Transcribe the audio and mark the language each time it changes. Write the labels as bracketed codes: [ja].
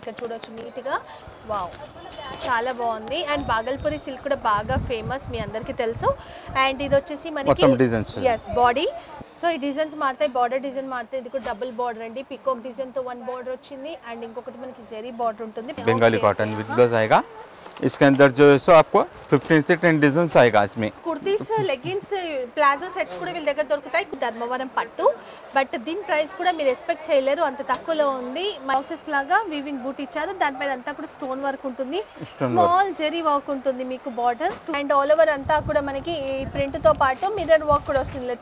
[te] ఇక్కడ చూడవచ్చు నీట్గా, వావ్ చాలా బాగుంది. అండ్ బాగల్పూరి సిల్క్ కూడా బాగా ఫేమస్ మీ అందరికీ తెలుసు. అండ్ ఇది వచ్చేసి మనకి ఎస్ బాడీ, సో ఈ డిజైన్స్ మారుతాయి, బార్డర్ డిజైన్ మారుతాయి. ఇది కూడా డబుల్ బార్డర్ అండి, పికోక్ డిజైన్ తో వన్ బార్డర్ వచ్చింది. అండ్ ఇంకొకటి మనకి జరీ బార్డర్ ఉంటుంది, [hi] బెంగాలీ కాటన్ విత్ బ్లౌజ్ ఆయేగా. इसके अंदर जो है सो आपको 15 से 10 डिजाइन आएगा इसमें. [te] कुर्तीस लेगिंग्स प्लाजो सेट्स కూడా వీళ్ళ దగ్గర దొరుకుతాయి. ధర్మవరం పట్టు బట్ దీని ప్రైస్ కూడా మీరు ఎక్స్పెక్ట్ చేయలేరు, అంత తక్కువలో ఉంది. మాక్సెస్ లాగా వీవింగ్ బూట్ ఇచ్చారు, దానిపై అంతా కూడా స్టోన్ వర్క్ ఉంటుంది, స్మాల్ జెరీ వర్క్ ఉంటుంది మీకు బోర్డర్. అండ్ ఆల్ ఓవర్ అంతా కూడా మనకి ఈ ప్రింట్ తో పాటు మిర్రర్ వర్క్ కూడా వస్తుంది.